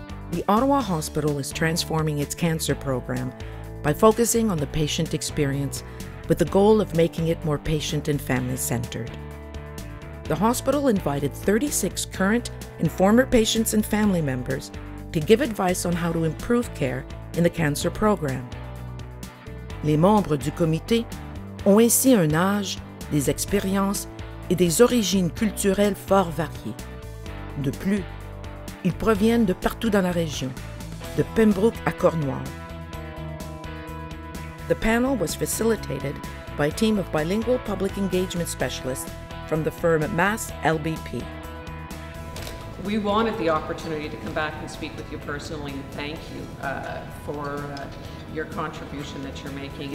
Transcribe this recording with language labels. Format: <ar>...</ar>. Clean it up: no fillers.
<en>The Ottawa Hospital is transforming its cancer program by focusing on the patient experience with the goal of making it more patient and family-centered. The hospital invited 36 current and former patients and family members to give advice on how to improve care in the cancer program.</en> <fr>Les membres du comité ont ainsi un âge, des expériences et des origines culturelles fort variées. De plus, ils proviennent de partout dans la région, de Pembroke à Cornwall.</fr> <en>The panel was facilitated by a team of bilingual public engagement specialists from the firm Mass LBP. We wanted the opportunity to come back and speak with you personally and thank you for your contribution that you're making.</en>